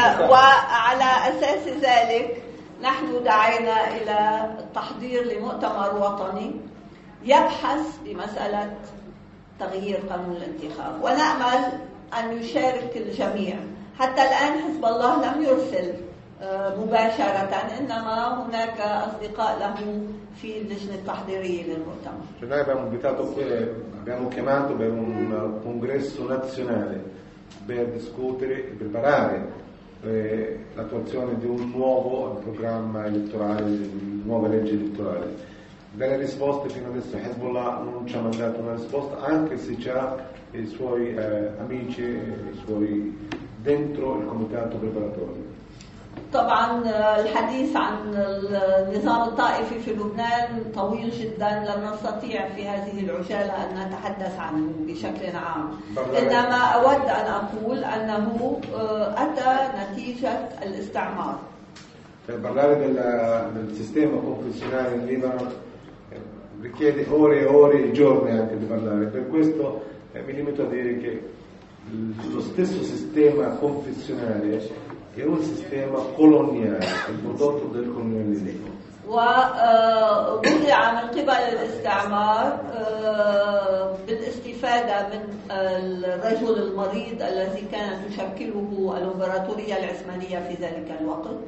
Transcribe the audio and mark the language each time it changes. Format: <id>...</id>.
<ar>وعلى أساس ذلك نحن دعينا إلى التحضير لمؤتمر وطني يبحث بمسألة تغيير قانون الانتخاب، ونأمل أن يشارك الجميع. حتى الآن حزب الله لم يرسل مباشرة، إنما هناك أصدقاء له في اللجنة التحضيرية للمؤتمر.</ar> <it>Cioè noi abbiamo invitato qui, abbiamo chiamato per un congresso nazionale per discutere e preparare l'attuazione di un nuovo programma elettorale, nuova legge elettorale. Delle risposte fino adesso Hezbollah non ci ha mandato una risposta, anche se c'ha i suoi amici, i suoi dentro il comitato preparatorio.</it> <ar>طبعا الحديث عن النظام الطائفي في لبنان طويل جدا، لن نستطيع في هذه العجالة أن نتحدث عنه بشكل عام. إنما أود أن أقول أنه أتى نتيجة الاستعمار.</ar> <it>Parlare del sistema confessionale in Libano richiede ore e ore e giorni anche di parlare. Per questo mi limito a dire che lo stesso sistema confessionale è un sistema coloniale, il prodotto del colonialismo.</it> <ar>وضع من قبل الاستعمار بالاستفادة من الرجل المريض الذي كانت تشكله الإمبراطورية العثمانية في ذلك الوقت.</ar>